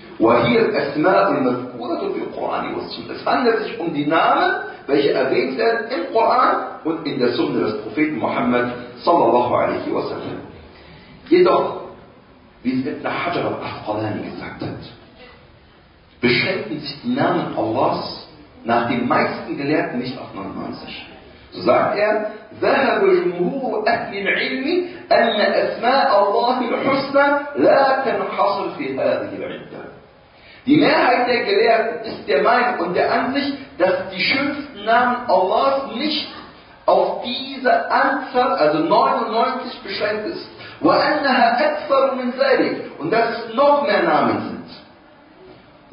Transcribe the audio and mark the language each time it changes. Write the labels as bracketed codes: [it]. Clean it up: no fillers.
[ar] Wa hiya Asma'i mazkuratu fi al-Qur'ani wa as-Sunnah. [de] Es handelt sich um die Namen, welche erwähnt werden im Koran und in der Sunna des Propheten Muhammad sallallahu alaihi wa sallam. Jedoch, wie es Ibn Hajar al-Asqalani gesagt hat, beschränken sich die Namen Allahs nach den meisten Gelehrten nicht auf 99. So sagt er, [ar] ذهب الجمهور أهل العلم أن أسماء الله الحسنى لا تنحصر في هذه العدة. [de] Die Mehrheit der Gelehrten ist der Meinung und der Ansicht, dass die schönsten Namen Allahs nicht auf diese Anzahl, also 99, beschränkt ist. [ar] وَأَنَّهَا أَكْثَرُ مِنْ ذَلِكَ [de] Und dass es noch mehr Namen sind.